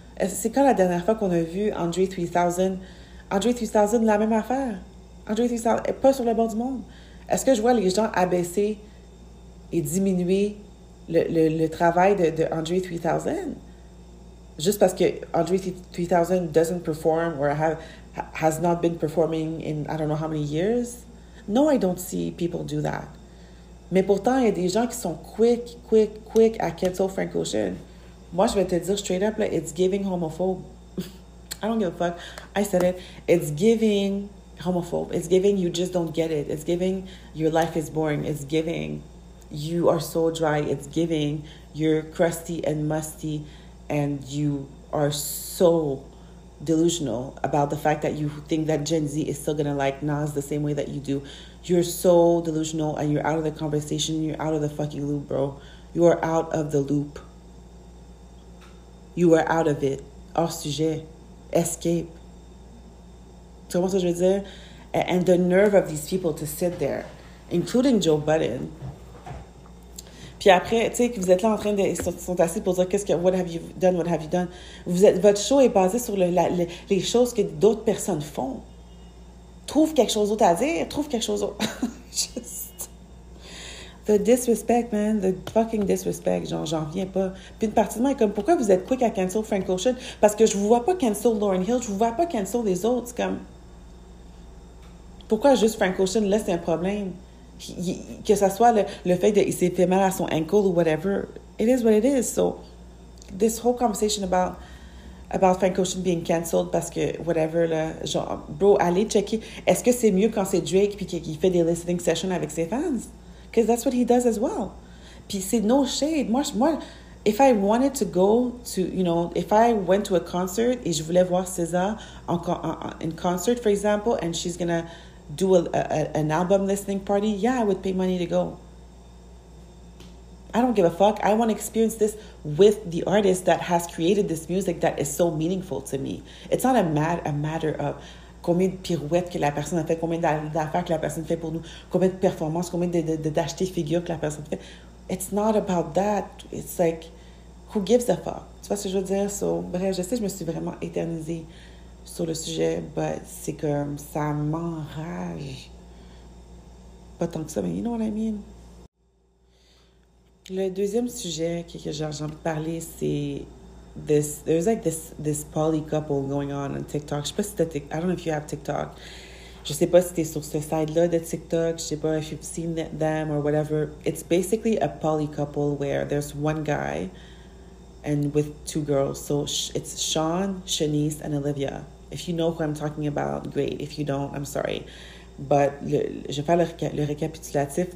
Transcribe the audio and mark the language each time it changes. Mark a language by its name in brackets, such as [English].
[French] C'est quand la dernière fois qu'on a vu André 3000? André 3000, la même affaire. André 3000 est pas sur le bord du monde. Est-ce que je vois les gens abaisser et diminuer le travail de André 3000? Juste parce que [English] André 3000 doesn't perform or has not been performing in I don't know how many years? No, I don't see people do that. [French] Mais pourtant, il y a des gens qui sont quick à cancel Frank Ocean. Moi, je vais te dire [English] straight up, like, it's giving homophobe. I don't give a fuck. I said it. It's giving homophobe. It's giving you just don't get it. It's giving your life is boring. It's giving you are so dry. It's giving you're crusty and musty and you are so delusional about the fact that you think that Gen Z is still going to like Nas the same way that you do. You're so delusional and you're out of the conversation. You're out of the fucking loop, bro. You are out of the loop. You are out of it. [French] Hors sujet. [English] Escape. [French] Tu comprends ce que je veux dire? [English] And the nerve of these people to sit there, including Joe Budden. [French] Puis après, tu sais, vous êtes là en train de... Ils sont assis pour dire, qu'est-ce que... [English] What have you done? What have you done? [French] Vous êtes, votre show est basé sur les choses que d'autres personnes font. Trouve quelque chose d'autre à dire. Trouve quelque chose d'autre. Juste... [English] The disrespect, man. The fucking disrespect. [French] Genre, j'en viens pas. Puis une partie de moi est comme, pourquoi vous êtes quick à cancel Frank Ocean? Parce que je vous vois pas cancel Lauryn Hill. Je vous vois pas cancel les autres. C'est comme... Pourquoi juste Frank Ocean? Là, c'est un problème. Que ça soit le fait qu'il s'est fait mal à son ankle ou whatever. [English] It is what it is. So, this whole conversation about Frank Ocean being canceled [French] parce que [English] whatever, [French] là, genre, bro, allez checker. Est-ce que c'est mieux quand c'est Drake puis qu'il fait des listening sessions avec ses fans? [English] Because that's what he does as well. [French] Puis c'est [English] no shade. Moi, if I wanted to go to, you know, if I went to a concert [French] et je voulais voir [English] César in concert, for example, and she's gonna do an album listening party, yeah, I would pay money to go. I don't give a fuck. I want to experience this with the artist that has created this music that is so meaningful to me. It's not a matter of [French] combien de pirouettes que la personne a fait, combien d'affaires que la personne fait pour nous, combien de performances, combien d'acheter figures que la personne fait. [English] It's not about that. It's like, who gives a fuck? [French] Tu vois ce que je veux dire? So, bref, je sais, je me suis vraiment éternisée sur le sujet, but c'est comme, ça m'enrage. Pas tant que ça, mais [English] you know what I mean? [French] Le deuxième sujet que j'ai envie de parler, c'est [English] this, there's like this poly couple going on TikTok. [French] Je sais pas si t'as [English] I don't know if you have TikTok. [French] Je sais pas si t'es sur ce side-là de TikTok. Je sais pas [English] if you've seen them or whatever. It's basically a poly couple where there's one guy and with two girls. So it's Sean, Shanice, and Olivia. If you know who I'm talking about, great. If you don't, I'm sorry. But [French] je vais faire le récapitulatif.